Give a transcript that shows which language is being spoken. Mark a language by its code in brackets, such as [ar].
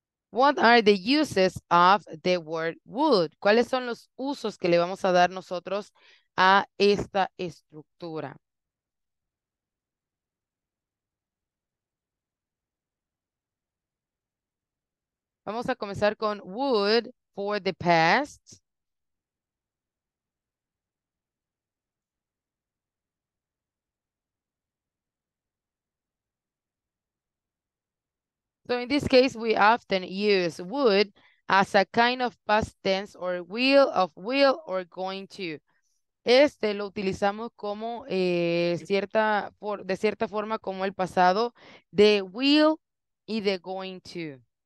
[en] What are the uses of the word would? [es] ¿Cuáles son los usos que le vamos a dar nosotros a esta estructura? Vamos a comenzar con [en] would for the past. So in this case, we often use would as a kind of past tense or will or going to. [es] Este lo utilizamos como de cierta forma como el pasado de will y de going to.